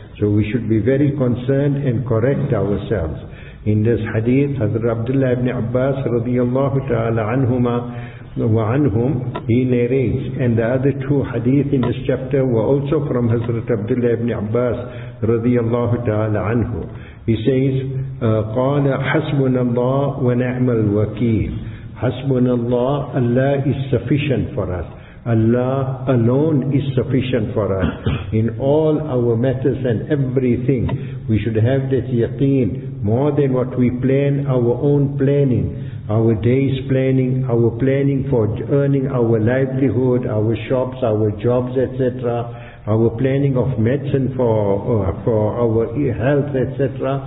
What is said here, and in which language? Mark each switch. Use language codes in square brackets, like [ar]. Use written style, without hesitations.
[en] So we should be very concerned and correct ourselves. In this hadith, Hazrat Abdullah ibn Abbas radiyallahu ta'ala anhuma wa anhum, he narrates, and the other two hadith in this chapter were also from Hazrat Abdullah ibn Abbas radiyallahu ta'ala anhu. He says, [ar] قَالَ حَسْبُنَ اللَّهُ وَنَعْمَ الْوَكِيلِ. حَسْبُنَ اللَّهُ, [en] Allah is sufficient for us. Allah alone is sufficient for us. In all our matters and everything, we should have that yaqeen, more than what we plan, our own planning, our day's planning, our planning for earning our livelihood, our shops, our jobs, etc., our planning of medicine for our health, etc.